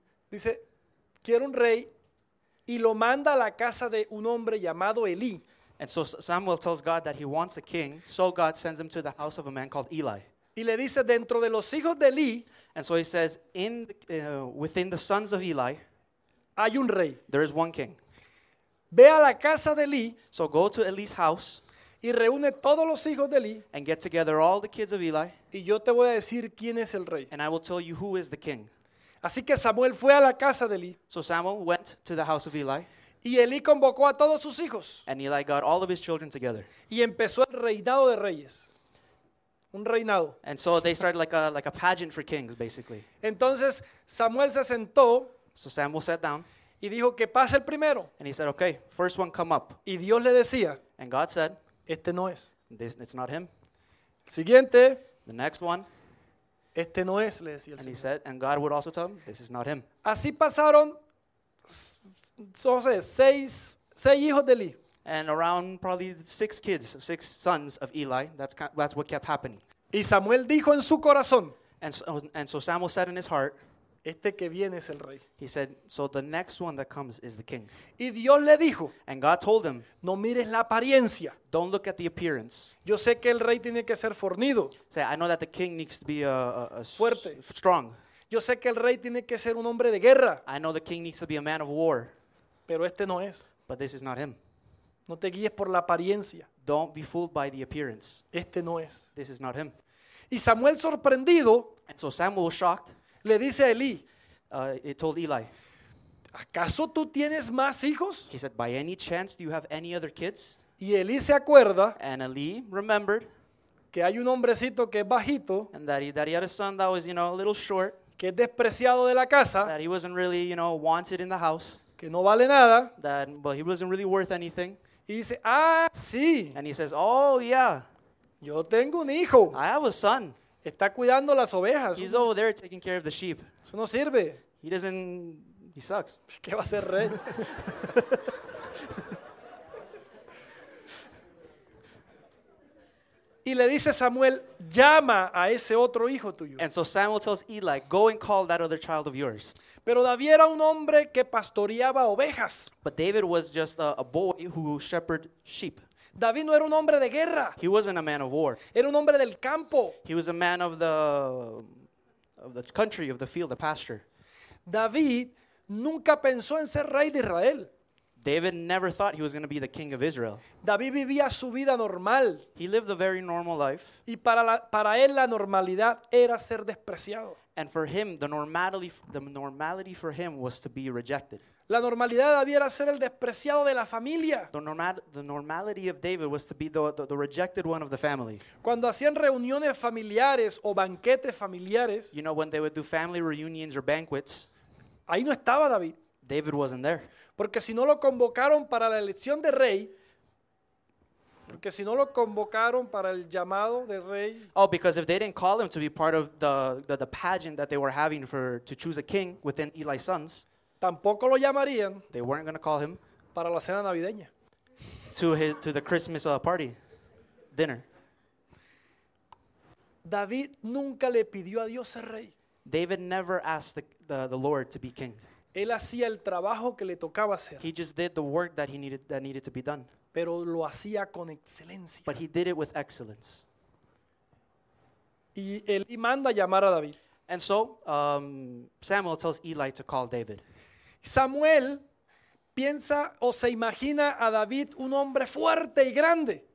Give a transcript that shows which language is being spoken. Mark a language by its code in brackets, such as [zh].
[es] Dice, quiero un rey, y lo manda a la casa de un hombre llamado Elí. [en] And so Samuel tells God that he wants a king, so God sends him to the house of a man called Eli. [es] Y le dice, dentro de los hijos de Elí, [en] and so he says, within the sons of Eli, [es] hay un rey. [en] There is one king. [es] Ve a la casa de Elí, [en] so go to Eli's house, [es] y reúne todos los hijos de Elí, [en] and get together all the kids of Eli, [es] y yo te voy a decir quién es el rey. [en] And I will tell you who is the king. [es] Así que Samuel fue a la casa de Eli. [en] So Samuel went to the house of Eli. [es] Y Eli convocó a todos sus hijos. [en] And Eli got all of his children together. [es] Y empezó el reinado de reyes. Un reinado. [en] And so they started like a pageant for kings, basically. [es] Entonces Samuel se sentó. [en] So Samuel sat down. [es] Y dijo que pase el primero. [en] And he said, okay, first one come up. [es] Y Dios le decía, [en] and God said, [es] este no es. [en] This, it's not him. [es] Siguiente. [en] The next one, [es] este no es, le decía el [en] and [es] Señor. [en] He said, and God would also tell him, this is not him. [es] Así pasaron, no sé, seis hijos de Eli. [en] And around probably six sons of Eli, that's what kept happening. [es] Y Samuel dijo en su corazón, [en] and so Samuel said in his heart, [es] Este que viene es el rey. [en] He said, so the next one that comes is the king. [es] Y Dios le dijo, [en] and God told him, [es] no mires la apariencia. [en] Don't look at the appearance. [es] Yo sé que el rey tiene que ser fornido. [en] Say, I know that the king needs to be [es] fuerte. [en] Strong. [es] Yo sé que el rey tiene que ser un hombre de guerra. [en] I know the king needs to be a man of war. [es] Pero este no es. [en] But this is not him. [es] No te guíes por la apariencia. [en] Don't be fooled by the appearance. [es] Este no es. [en] This is not him. [es] Y Samuel sorprendido. [en] And so Samuel was shocked. [es] Le dice a Eli. [en] It told Eli. [es] ¿Acaso tú tienes más hijos? [en] He said, by any chance, do you have any other kids? [es] Y Eli se acuerda. [en] And Eli remembered. [es] Que hay un hombrecito que es bajito. [en] And that he had a son that was, you know, a little short. [es] Que es despreciado de la casa. [en] That he wasn't really, you know, wanted in the house. [es] Que no vale nada. [en] That, but he wasn't really worth anything. [es] Y dice, ah, sí. [en] And he says, oh, yeah. [es] Yo tengo un hijo. [en] I have a son. [es] Está cuidando las ovejas. [en] He's over there taking care of the sheep. [es] Eso no sirve. [en] He doesn't... He sucks. [es] ¿Qué va a ser rey? Y le dice Samuel, llama a ese otro hijo tuyo. [en] And so Samuel tells Eli, go and call that other child of yours. [es] Pero David era un hombre que pastoreaba ovejas. [en] But David was just a boy who shepherded sheep. [es] David no era un hombre de guerra. [en] He wasn't a man of war. [es] Era un hombre del campo. [en] He was a man of the country, of the field, the pasture. [es] David nunca pensó en ser rey de Israel. [en] David never thought he was going to be the king of Israel. [es] David vivía su vida normal. [en] He lived a very normal life. [es] Y para él la normalidad era ser despreciado. [en] And for him, the normality for him was to be rejected. [es] La normalidad de David era ser el despreciado de la familia. [en] The normality of David was to be the rejected one of the family. [es] Cuando hacían reuniones familiares o banquetes familiares. [en] You know, when they would do family reunions or banquets. [es] Ahí no estaba David. [en] David wasn't there. [es] Porque si no lo convocaron para la elección de rey. Porque si no lo convocaron para el llamado de rey. [en] Oh, because if they didn't call him to be part of the pageant that they were having to choose a king within Eli's sons. [es] Tampoco lo llamarían. [en] They weren't going to call him. [es] Para la cena navideña. [en] To the Christmas party. Dinner. [es] David nunca le pidió a Dios ser rey. [en] David never asked the Lord to be king. [es] Él hacía el trabajo que le tocaba hacer. [en] He just did the work that needed to be done. [es] Pero lo hacía con excelencia. [en] But he did it with excellence. [es] Y él manda llamar a David. [en] And so Samuel tells Eli to call David. [es] Samuel piensa o se imagina a David un hombre fuerte y grande.